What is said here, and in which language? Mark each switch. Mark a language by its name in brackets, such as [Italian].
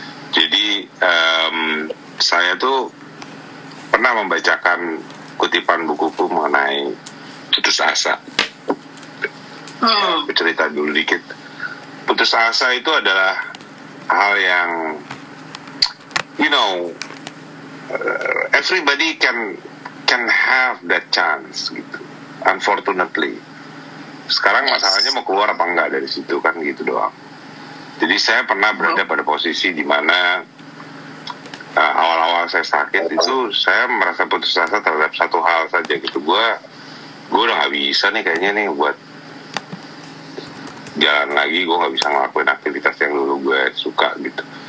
[Indonesian] Jadi saya tuh pernah membacakan kutipan buku mengenai putus asa. Cerita dulu dikit. Putus asa itu adalah hal yang [English] you know, everybody can have that chance gitu. [Indonesian] Unfortunately, sekarang masalahnya mau keluar apa enggak dari situ kan gitu doang. Jadi saya pernah berada pada posisi di mana awal-awal saya sakit itu saya merasa putus asa terhadap satu hal saja gitu. Gue udah gak bisa nih kayaknya nih buat jalan lagi, gue gak bisa ngelakuin aktivitas yang dulu gue suka gitu.